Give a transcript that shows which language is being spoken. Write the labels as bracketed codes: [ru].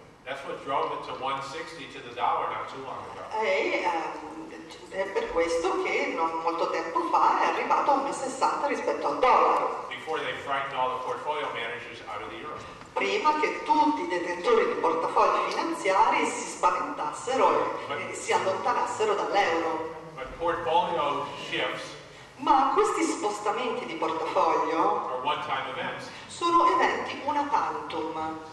[en] That's what drove it to 160 to the dollar not too long ago. [it] È per questo che non molto tempo fa è arrivato a 1,60 rispetto al dollaro. [en] Before they frightened all the portfolio managers out of the euro. [it] Prima che tutti i detentori di portafogli finanziari si spaventassero e si allontanassero dall'euro. [en] But portfolio shifts, [it] ma questi spostamenti di portafoglio [en] one-time events, [it] sono eventi una tantum.